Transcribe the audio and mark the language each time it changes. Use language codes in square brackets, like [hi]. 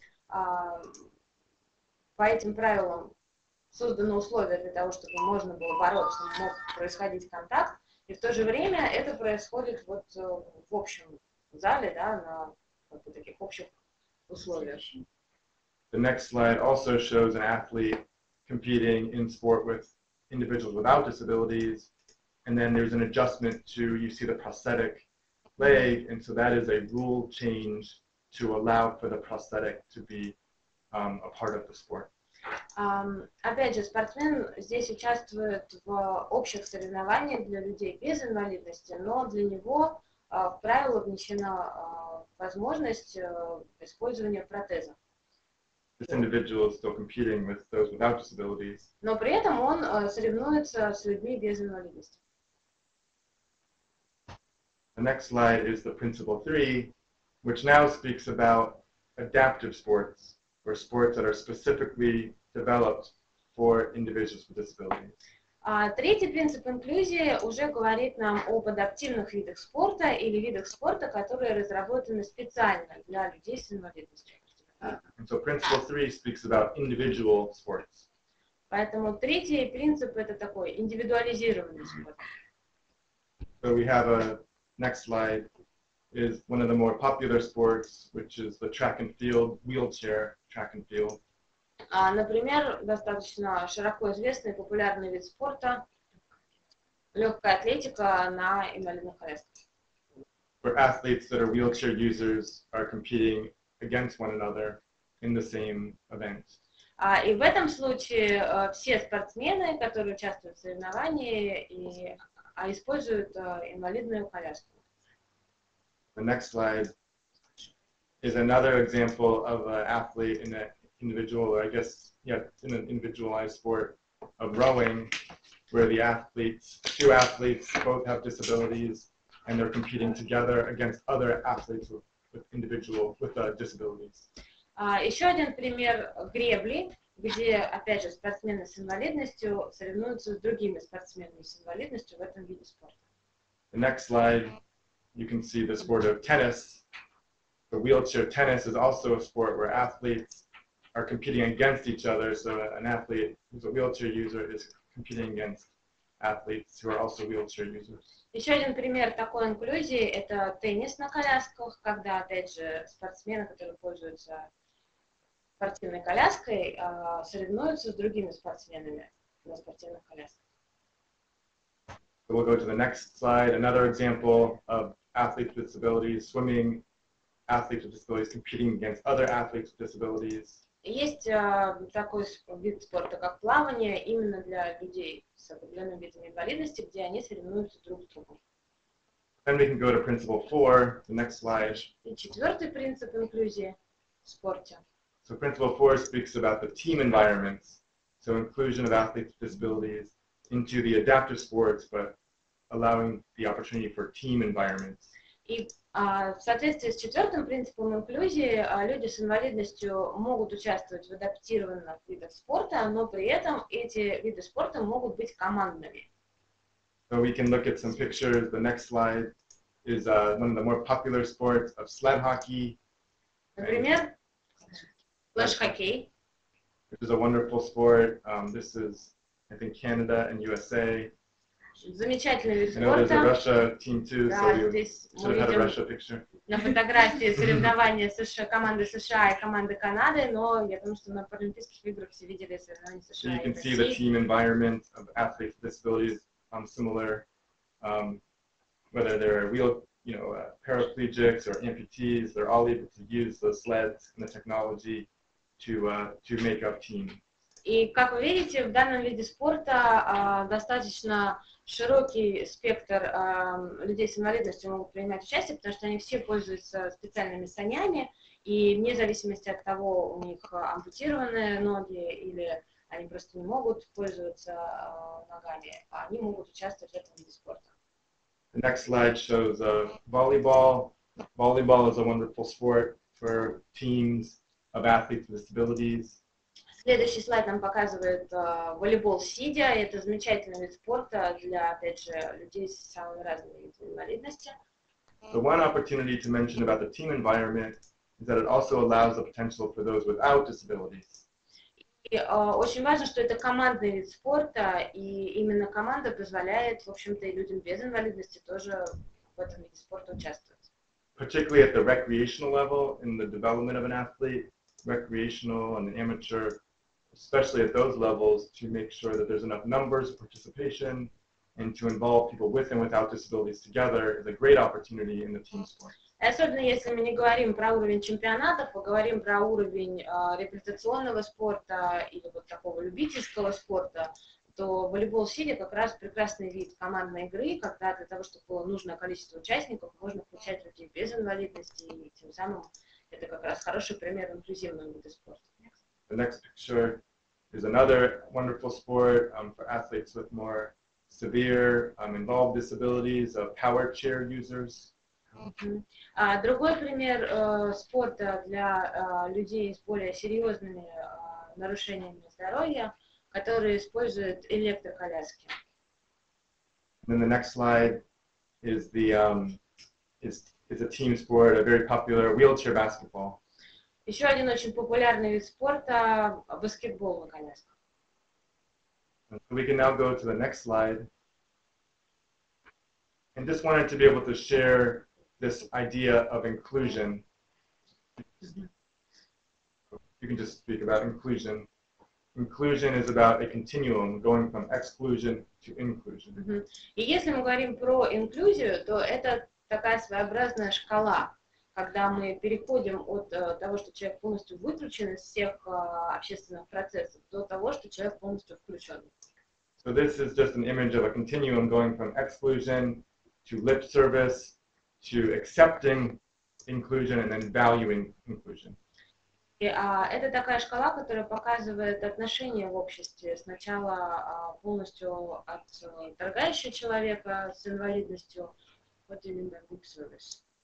[ru] По этим правилам созданы условия для того, чтобы можно было бороться, мог происходить контакт, и в то же время это происходит вот в общем зале, да, на вот таких общих условиях. [en] The next slide also shows an athlete competing in sport with individuals without disabilities. And then there's an adjustment to, you see the prosthetic leg, and so that is a rule change to allow for the prosthetic to be a part of the sport. [ru] Опять же, спортсмен здесь участвует в общих соревнованиях для людей без инвалидности, но для него в правила внесена возможность использования протеза. [en] This individual is still competing with those without disabilities. [ru] Но при этом он соревнуется с людьми без инвалидности. [en] The next slide is the principle 3, which now speaks about adaptive sports, or sports that are specifically developed for individuals with disabilities. [ru] Третий принцип инклюзии уже говорит нам об адаптивных видах спорта или видах спорта, которые разработаны специально для людей с инвалидностью. [en] And so principle 3 speaks about individual sports. [ru] Поэтому третий принцип это такой индивидуализированный спорт. [en] So we have a next slide is one of the more popular sports, which is the track and field, wheelchair track and field. [ru] Например, достаточно широко известный популярный вид спорта легкая атлетика на инвалидных колясках. [en] Where athletes that are wheelchair users are competing against one another in the same event. [ru] И в этом случае все спортсмены, которые участвуют в соревнованиях, используют инвалидную коляску. [en] The next slide is another example of an athlete in an individual, or I guess, yeah, in an individualized sport of rowing, where the athletes, two athletes, both have disabilities, and they're competing together against other athletes with individual, with disabilities. [ru] Еще один пример гребли, где, опять же, спортсмены с инвалидностью соревнуются с другими спортсменами с инвалидностью в этом виде спорта. [en] The next slide, you can see the sport of tennis. The wheelchair tennis is also a sport where athletes are competing against each other. So an athlete who's a wheelchair user is competing against athletes who are also wheelchair users. [ru] Еще один пример такой инклюзии – это теннис на колясках, когда, опять же, спортсмены, которые пользуются спортивной коляской, соревнуются с другими спортсменами на спортивных колясках. [en] So we'll go to the next slide. Another example of athletes with disabilities, swimming, athletes with disabilities competing against other athletes with disabilities. [ru] Есть такой вид спорта, как плавание, именно для людей с определенным видом инвалидности, где они соревнуются друг с другом. [en] Then we can go to principle four, the next slide. [ru] И четвертый принцип инклюзии в спорте. [en] So principle four speaks about the team environments, so inclusion of athletes with disabilities into the adaptive sports, but allowing the opportunity for team environments. [ru] И в соответствии с четвертым принципом инклюзии, люди с инвалидностью могут участвовать в адаптированных видах спорта, но при этом эти виды спорта могут быть командными. [en] So we can look at some pictures. The next slide is one of the more popular sports of sled hockey. [ru] Например, лыж-хоккей. [en] This is a wonderful sport. This is, I think, Canada and USA. [ru] Замечательный вид спорта. [en] I know there's a Russia team too, [ru] да, [en] so you should have had a Russia picture. [ru] На фотографии соревнования США, команды США и команды Канады, но я думаю, что на паралимпийских играх все видели соревнования США. [en] So you can see the team environment of athletes with disabilities similar, whether they're paraplegics or amputees, they're all able to use the sleds and the technology to make up team. [ru] И, как вы видите, в данном виде спорта достаточно широкий спектр людей с инвалидностью могут принимать участие, потому что они все пользуются специальными санями, и вне зависимости от того, у них ампутированные ноги или они просто не могут пользоваться ногами, они могут участвовать в этом виде спорта. [en] The next slide shows volleyball. Volleyball is a wonderful sport for teams of athletes with disabilities. [ru] Следующий слайд нам показывает волейбол сидя. Это замечательный вид спорта для, опять же, людей с самыми разными инвалидностями. [en] The one opportunity to mention about the team environment is that it also allows the potential for those without disabilities. [ru] Очень важно, что это командный вид спорта, и именно команда позволяет, в общем-то, и людям без инвалидности тоже в этом виде спорта участвовать. [en] Particularly at the recreational level in the development of an athlete, recreational and amateur, especially at those levels, to make sure that there's enough numbers of participation and to involve people with and without disabilities together is a great opportunity in the team sport. [ru] Особенно если мы не говорим про уровень чемпионатов, а говорим про уровень репетиционного спорта или вот такого любительского спорта, то волейбол сидя как раз прекрасный вид командной игры, когда для того, чтобы было нужное количество участников, можно включать людей без инвалидности, и тем самым это как раз хороший пример инклюзивного вида спорта. [en] The next picture is another wonderful sport for athletes with more severe involved disabilities, power chair users. [ru] Другой пример спорта для людей с более серьезными нарушениями здоровья, которые используют электроколяски. [en] Then the next slide is the is a team sport, a very popular wheelchair basketball. [ru] Еще один очень популярный вид спорта – баскетбол на колясках. [en] We can now go to the next slide. And just wanted to be able to share this idea of inclusion. You can just speak about inclusion. Inclusion is about a continuum, going from exclusion to inclusion. [ru] И если мы говорим про инклюзию, то это такая своеобразная шкала. когда мы переходим от того, что человек полностью выключен из всех общественных процессов, до того, что человек полностью включен. [en] So this is just an image of a continuum going from exclusion to lip service to accepting inclusion and then valuing inclusion. [ru] И это такая шкала, которая показывает отношения в обществе. Сначала полностью отторгающего человека с инвалидностью, вот именно [en] lip service.